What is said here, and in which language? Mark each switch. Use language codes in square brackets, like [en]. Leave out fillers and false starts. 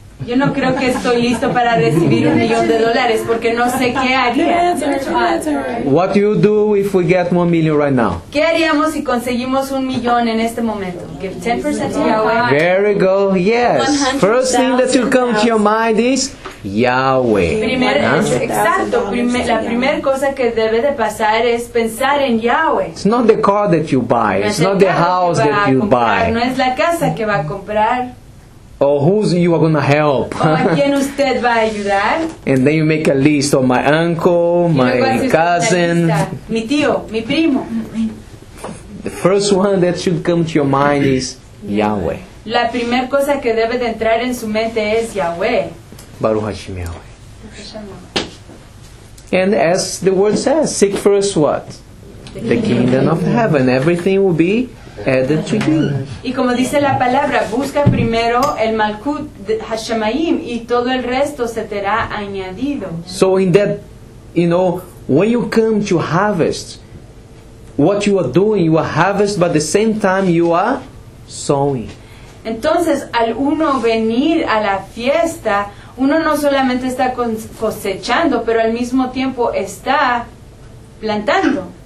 [es] Yo no creo que estoy listo para recibir $1,000,000 porque no sé qué haría. [en] What do you do if we get $1,000,000 right now? [es] ¿Qué haríamos si conseguimos $1,000,000 en este momento? [en] Give 10% to Yahweh. Very good. Yes. First thing that will come to your mind is Yahweh. [es] Exacto. La primer cosa que debe de pasar es pensar en Yahweh. [en] It's not the car that you buy. It's not the house that you buy. [es] No es la casa que va a comprar. [en] Or who's you are gonna help? [es] ¿A quién usted va a ayudar? [en] And then you make a list of my uncle, my cousin. [es] Mi tío, mi primo. [en] The first one that should come to your mind is Yahweh. [es] La primer cosa que debe de entrar en su mente es Yahweh. [he] Baruch Hashem Yahweh. [en] And as the word says, seek first what? The kingdom of heaven. Everything will be added to you. [es] Y como dice la palabra, busca primero el Malkut Hashemayim y todo el resto se te será añadido. [en] So in that, you know, when you come to harvest, what you are doing, you are harvest, but at the same time you are sowing. [es] Entonces, al uno venir a la fiesta, uno no solamente está cosechando, pero al mismo tiempo está plantando.